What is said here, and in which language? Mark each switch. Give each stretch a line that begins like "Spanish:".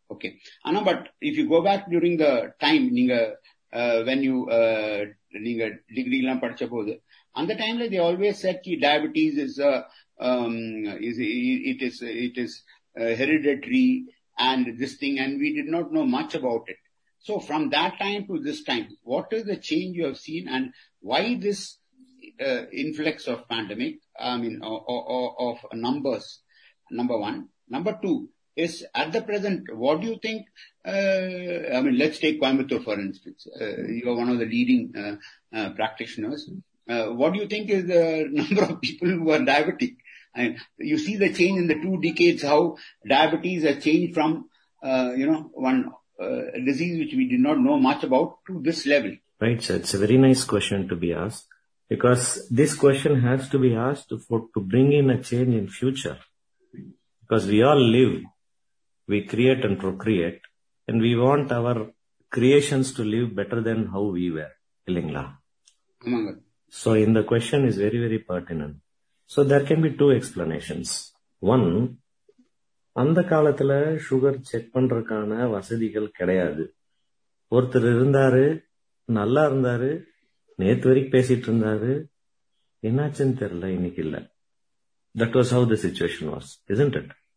English: okay, ஆனா but if you go back during the time, நீங்க when you
Tamil: நீங்க degree எல்லாம் படிச்ச போது
English: அந்த டைம்ல they always said கி diabetes is it is hereditary and this thing, and we did not know much about it. So from that time to this time, what is the change you have seen, and why this influx of pandemic, I mean of numbers, number one. Number two is, at the present, what do you think, I mean, let's take Coimbatore for instance, you are one of the leading practitioners, what do you think is the number of people who are diabetic? And you see the change in the two decades, how diabetes has changed from one disease which we did not know much about to this level. Right, sir. It's a very nice question to be asked. Because this question has to be asked to bring in a change in future. Because we all live, we create and procreate, and we want our creations to live better than how we were. Illingla. So in the question is very, very pertinent. So there can be two explanations.
Tamil: One, அந்த காலத்துல sugar check பண்றதுக்கான வசதிகள் கிடையாது. ஒருத்தர் இருந்தாரு, நல்லா இருந்தாரு, நேத்து வரைக்கும் பேசிட்டு இருந்தாரு, என்னாச்சுன்னு தெரியல, இன்னைக்கு இல்ல.
English: That was how the situation was, isn't it?